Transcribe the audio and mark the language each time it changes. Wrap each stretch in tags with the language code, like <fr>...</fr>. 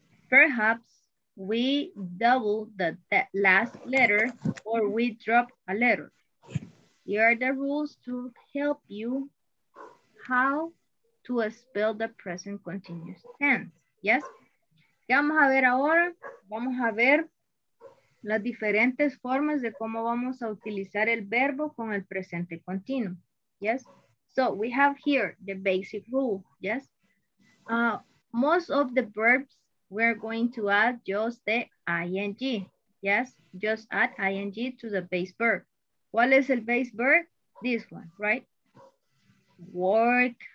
<en>Perhaps we double the last letter or we drop a letter. Here are the rules to help you how to spell the present continuous tense. Yes?</en> <es>¿Qué vamos a ver ahora? Vamos a ver las diferentes formas de cómo vamos a utilizar el verbo con el presente continuo.</es> <en>Yes? So we have here the basic rule. Yes? Most of the verbs we're going to add just the ing. Yes, just add ing to the base verb. What is the base verb? This one, right? Work,</en>